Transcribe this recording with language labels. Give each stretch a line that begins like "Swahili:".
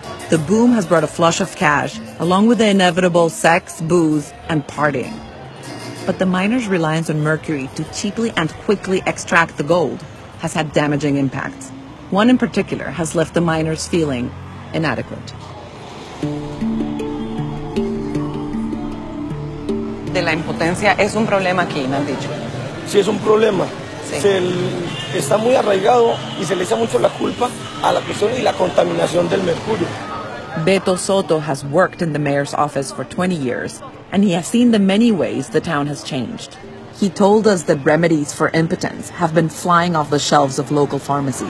English: The boom has brought a flush of cash, along with the inevitable sex, booze, and partying. But the miners' reliance on mercury to cheaply and quickly extract the gold has had damaging impacts. One in particular has left the miners feeling inadequate.
Spanish: De la impotencia es un problema aquí, me han dicho. Sí, es un problema. Sí. Está muy arraigado y se le echa mucho la culpa a la presión y la contaminación del mercurio.
English: Beto Soto has worked in the mayor's office for 20 years, and he has seen the many ways the town has changed. He told us that remedies for impotence have been flying off the shelves of local pharmacies.